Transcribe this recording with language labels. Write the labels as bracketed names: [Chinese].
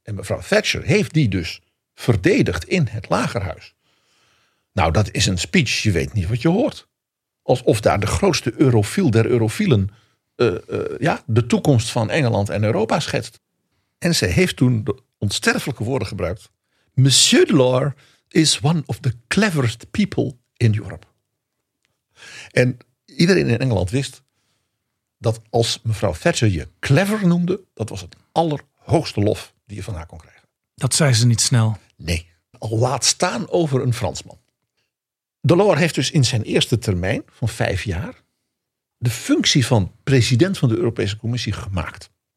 [Dutch] En mevrouw Thatcher heeft die dus verdedigd in het Lagerhuis. Nou, dat is een speech, je weet niet wat je hoort. Alsof daar de grootste eurofiel der eurofielen de toekomst van Engeland en Europa schetst. En ze heeft toen de onsterfelijke woorden gebruikt. [English] Monsieur Delors is one of the cleverest people in Europe. [Dutch] En iedereen in Engeland wist dat als mevrouw Thatcher je clever noemde, dat was het allerhoogste lof die je van haar kon krijgen. Dat zei ze niet snel. Nee, al laat staan over een Fransman. Delors heeft dus in zijn eerste termijn van 5 jaar de functie van president van de Europese Commissie gemaakt.